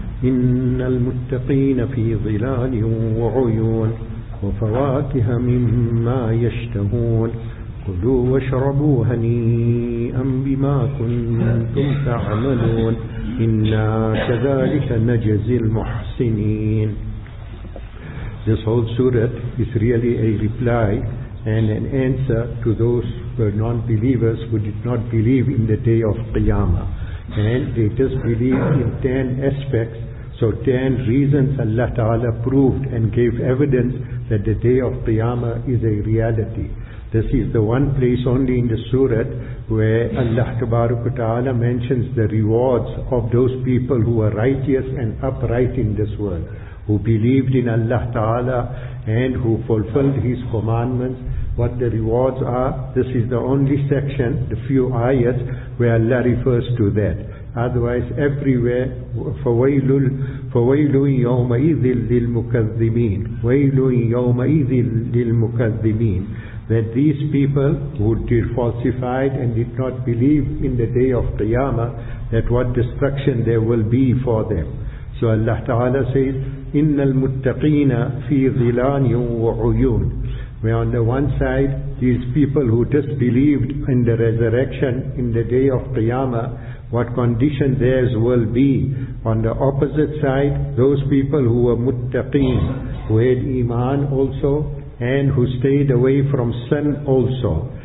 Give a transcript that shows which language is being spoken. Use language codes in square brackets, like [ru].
[ar] إن المتقين في ظلال وعيون وفواكه مما يشتهون كلوا واشربوا هنيئا بما كنتم تعملون إنا كذلك نجزي المحسنين. [en] This whole surah is really a reply and an answer to those who were non-believers who did not believe in the day of Qiyamah. And they disbelieved in 10 aspects, so 10 reasons Allah Ta'ala proved and gave evidence that the day of Qiyamah is a reality. This is the one place only in the surah where Allah Tabaraka Ta'ala mentions the rewards of those people who are righteous and upright in this world, who believed in Allah Ta'ala and who fulfilled His commandments. What the rewards are, this is the only section, the few ayats, where Allah refers to that. Otherwise, everywhere, [ar] فَوَيْلٌ يَوْمَئِذٍ لِلْمُكَذِّمِينَ وَيْلٌ يَوْمَئِذٍ لِلْمُكَذِّمِينَ. [en] That these people who did falsified and did not believe in the day of Qiyamah, that what destruction there will be for them. So Allah Ta'ala says, [ar] إِنَّ الْمُتَّقِينَ فِي ظِلَانٍ وَعُيُونَ. [en] Where on the one side, these people who disbelieved in the resurrection in the day of Qiyamah, what condition theirs will be. On the opposite side, those people who were muttaqeen, who had iman also, and who stayed away from sin also.